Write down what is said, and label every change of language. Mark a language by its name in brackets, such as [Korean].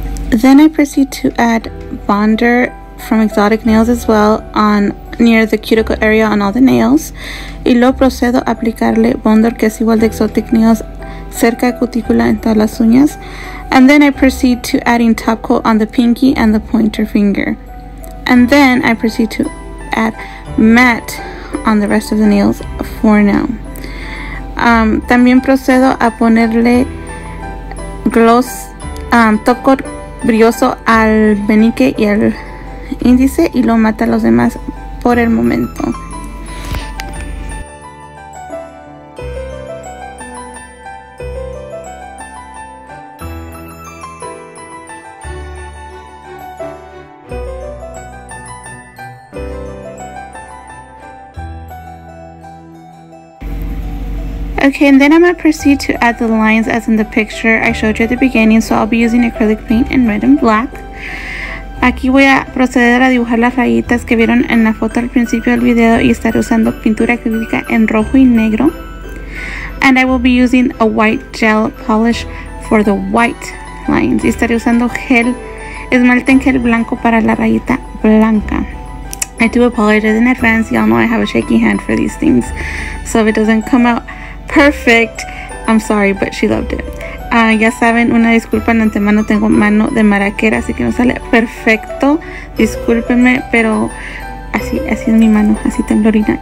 [English] Then I proceed to add bonder from Exotic Nails as well on near the cuticle area on all the nails. [Spanish] Y luego procedo a aplicarle bonder, que es igual de Exotic Nails, cerca de cutícula en todas las uñas. [English] And then I proceed to adding top coat on the pinky and the pointer finger. And then I proceed to add matte on the rest of the nails for now. [Spanish] También procedo a ponerle gloss, top coat brilloso al meñique y al índice, y lo mata a los demás por el momento. [English] Okay, and then I'm gonna proceed to add the lines as in the picture I showed you at the beginning. So I'll be using acrylic paint in red and black. [Spanish] Aquí voy a proceder a dibujar las rayitas que vieron en la foto al principio del video y estaré usando pintura acrílica en rojo y negro. [English] And I will be using a white gel polish for the white lines. [Spanish] Y estaré usando gel, esmalte en gel blanco para la rayita blanca. [English] I do apologize in advance. Y'all know I have a shaky hand for these things. So if it doesn't come out perfect, I'm sorry, but she loved it. [Spanish] Ya saben, una disculpa en antemano, tengo mano de maraquera, así que no sale perfecto. Discúlpenme, pero así es mi mano, así temblorina.